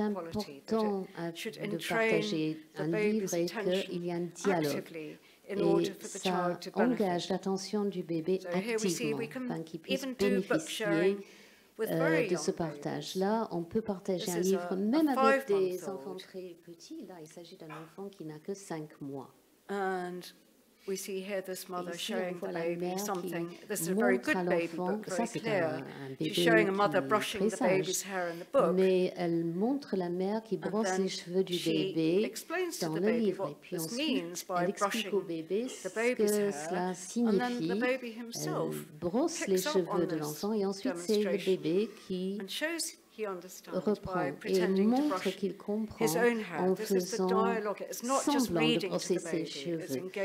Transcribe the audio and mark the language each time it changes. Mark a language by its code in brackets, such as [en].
[fr] important de partager un livre est qu'il y a un dialogue. Et ça engage l'attention du bébé activement, afin qu'il puisse bénéficier de ce partage. Là, on peut partager un livre même avec des enfants très petits. Là, il s'agit d'un enfant qui n'a que 5 mois. [en] We see here this mother showing the baby something. This is a very good baby book, very clear. She's showing a mother brushing the baby's hair in the book. [fr] Mais elle montre la mère qui brosse les cheveux du bébé dans le livre. Et puis ensuite, elle explique au bébé ce que cela signifie. Elle brosse les cheveux de l'enfant et ensuite c'est le bébé qui reprend et montre qu'il comprend en faisant semblant de brosser ses cheveux.